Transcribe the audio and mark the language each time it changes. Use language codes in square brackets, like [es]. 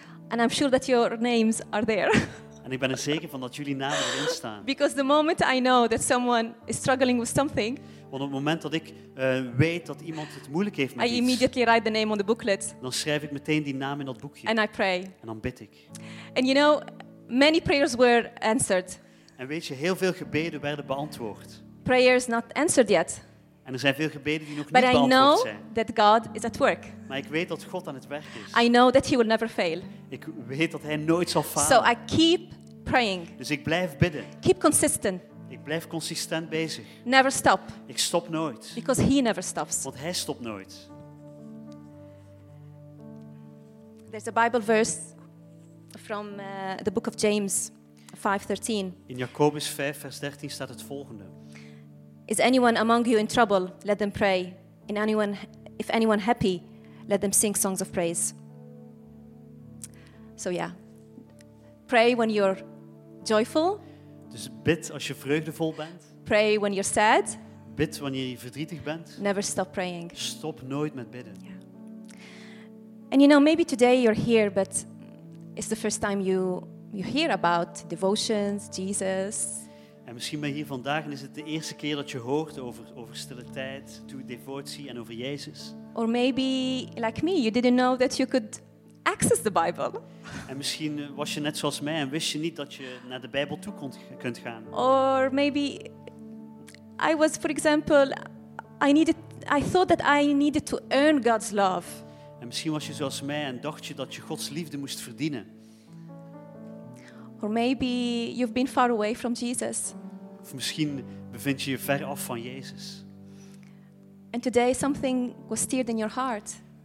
[en] And I'm sure that your names are there. [nl] En ik ben er zeker van dat jullie namen erin staan. [en] Because the moment I know that someone is struggling with something. [nl] Want op het moment dat ik weet dat iemand het moeilijk heeft met iets. [en] I immediately write the name on the booklet. [nl] Dan schrijf ik meteen die naam in dat boekje. [en] And I pray. [nl] En dan bid ik. [en] And you know, many prayers were answered. [nl] En weet je, heel veel gebeden werden beantwoord. [en] Prayers not answered yet. [nl] En er zijn veel gebeden die nog [en] but [nl] niet [en] I [nl] beantwoord [en] know [nl] zijn. [en] That God is at work. [nl] Maar ik weet dat God aan het werk is. [en] I know that he will never fail. [nl] Ik weet dat hij nooit zal falen. [en] So I keep praying. [nl] Dus ik blijf bidden. [en] Keep consistent. [nl] Ik blijf consistent bezig. [en] Never stop. [nl] Ik stop nooit. [en] Because he never stops. [nl] Want hij stopt nooit. [en] There's a Bible verse from the book of James 5:13. [nl] In Jacobus 5 vers 13 staat het volgende. [en] Is anyone among you in trouble? Let them pray. If anyone happy, let them sing songs of praise. So yeah. Pray when you're joyful. [nl] Dus bid als je vreugdevol bent. [en] Pray when you're sad. [nl] Bid wanneer je verdrietig bent. [en] Never stop praying. [nl] Stop nooit met bidden. [en] Yeah. And you know, maybe today you're here, but it's the first time you hear about devotions, Jesus. [nl] En misschien ben je hier vandaag en is het de eerste keer dat je hoort over stille tijd, toe devotie en over Jezus. [en] Or maybe like me, you didn't know that you could access the Bible. [nl] En misschien was je net zoals mij en wist je niet dat je naar de Bijbel toe kunt gaan. [en] Or maybe I was, for example, I thought that I needed to earn God's love. [nl] En misschien was je zoals mij en dacht je dat je Gods liefde moest verdienen. [en] Or maybe you've been far away from Jesus. [nl] Of misschien bevind je je ver af van Jezus. [en] And today something was stirred in your heart.